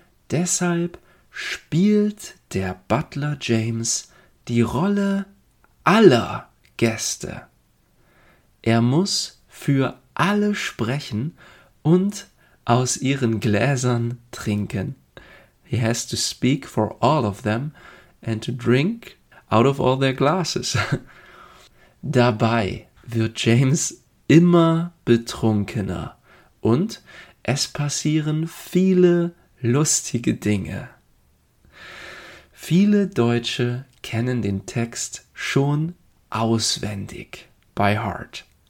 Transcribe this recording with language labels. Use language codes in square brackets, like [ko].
[de] Deshalb spielt der Butler James die Rolle aller Gäste. Er muss für alle sprechen und aus ihren Gläsern trinken. [en] He has to speak for all of them and to drink out of all their glasses. [de] Dabei wird James immer betrunkener und es passieren viele lustige Dinge. Viele Deutsche kennen den Text schon auswendig, [en] by heart.